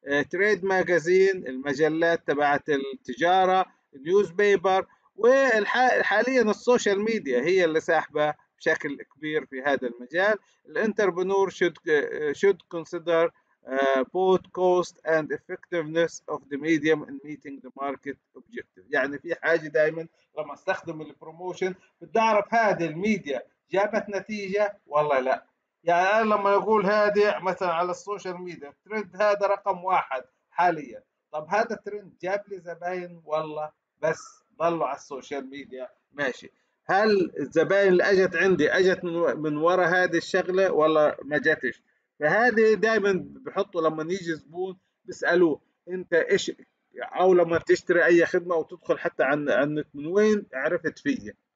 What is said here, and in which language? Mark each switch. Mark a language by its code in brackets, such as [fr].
[ar] تريد ماجازين، المجلات تبعت التجارة، نيوز بيبر، وحاليا السوشيال ميديا هي اللي ساحبة بشكل كبير في هذا المجال. [en] الانتربنور should consider both cost and effectiveness of the medium in meeting the market objective. [ar] يعني في حاجة دائما لما استخدم البروموشن بدي اعرف هذه الميديا جابت نتيجة والله لا. يعني انا لما اقول هذه مثلا على السوشيال ميديا ترند هذا رقم واحد حاليا، طب هذا الترند جاب لي زباين والله بس ضلوا على السوشيال ميديا ماشي، هل الزباين اللي اجت عندي اجت من ورا هذه الشغله ولا ما جاتش؟ فهذه دائما بحطه لما يجي زبون بيسالوه انت ايش، او لما تشتري اي خدمه او تدخل حتى عن النت من وين عرفت فيا.